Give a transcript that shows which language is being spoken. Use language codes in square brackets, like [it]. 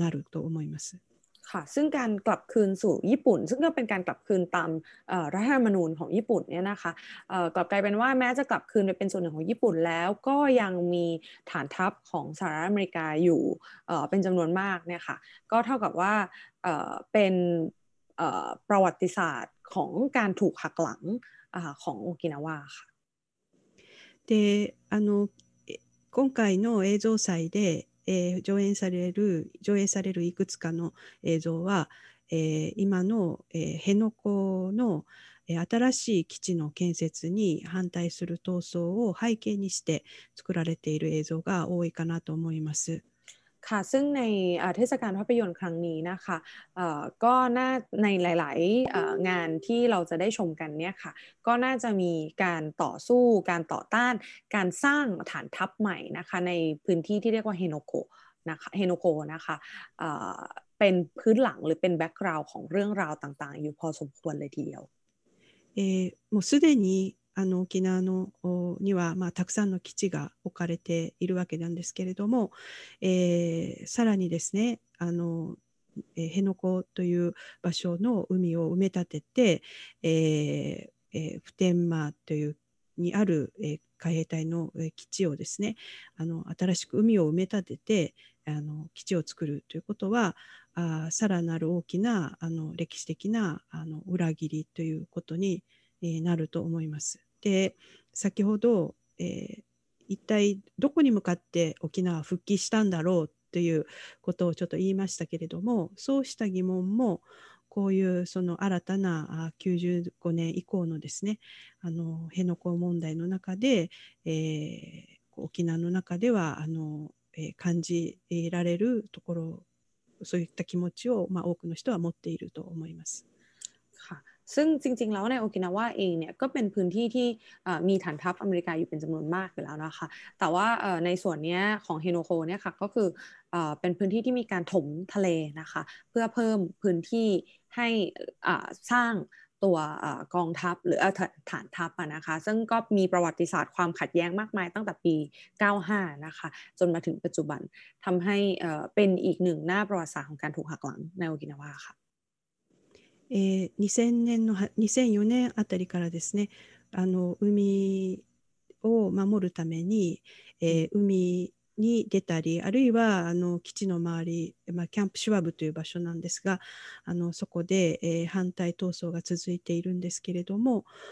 [ja] ると思います [th] ค่ะซึ่งการกลับคืนสู่ญี่ปุ่นซึ่งก็เป็นการกลับคืนตามรัฐธรรมนูญของญี่ปุ่นเนี่ยนะคะกลับกลายเป็นว่าแม้จะกลับคืนไปเป็นส่วนหนึ่งของญี่ปุ่นแล้วก็ยังมีฐานทัพของสหรัฐอเมริกาอยู่เป็นจำนวนมากเนี่ยค่ะก็เท่ากับว่าเป็นประวัติศาสตร์ของการถูกหักหลังของโอกินาวาค่ะ [ja] で今回の映像祭で上映されるいくつかの映像は、今の、辺野古の、新しい基地の建設に反対する闘争を背景にして作られている映像が多いかなと思います。 [th] ค่ะซึ่งในเทศกาลภาพยนตร์ครั้งนี้นะคะก็น่าในหลายๆงานที่เราจะได้ชมกันเนี่ยค่ะก็น่าจะมีการต่อสู้การต่อต้านการสร้างฐานทัพใหม่นะคะในพื้นที่ที่เรียกว่าเฮโนโก นะคะเฮโนโกะนะคะเป็นพื้นหลังหรือเป็นแบ็คกราวด์ของเรื่องราวต่างๆอยู่พอสมควรเลยทีเดียว [ja] もうすでにあの沖縄のにはまあたくさんの基地が置かれているわけなんですけれども、さらにですねあの辺野古という場所の海を埋め立てて、普天間というにある、海兵隊の基地をですねあの新しく海を埋め立ててあの基地を作るということはさらなる大きなあの歴史的なあの裏切りということになると思います。で先ほど、一体どこに向かって沖縄は復帰したんだろうということをちょっと言いましたけれども、そうした疑問もこういうその新たな95年以降のですねあの辺野古問題の中で、沖縄の中ではあの感じられるところ、そういった気持ちを、まあ、多くの人は持っていると思います。 [th] ซึ่งจริงๆแล้วในโอกินาวาเองเนี่ยก็เป็นพื้นที่ที่มีฐานทัพอเมริกาอยู่เป็นจำนวนมากอยู่แล้วนะคะแต่ว่าในส่วนนี้ของเฮโนโคเนี่ยค่ะก็คือเป็นพื้นที่ที่มีการถมทะเลนะคะเพื่อเพิ่มพื้นที่ให้สร้างตัวกองทัพหรือฐานทัพนะคะซึ่งก็มีประวัติศาสตร์ความขัดแย้งมากมายตั้งแต่ปี95นะคะจนมาถึงปัจจุบันทำให้เป็นอีกหนึ่งหน้าประวัติศาสตร์ของการถูกหักหลังในโอกินาวาค่ะ [ja] 2004年あたりからですね、あの海を守るために、海に出たり、あるいはあの基地の周り、まあ、キャンプシュワブという場所なんですが、あのそこで、反対闘争が続いているんですけれども、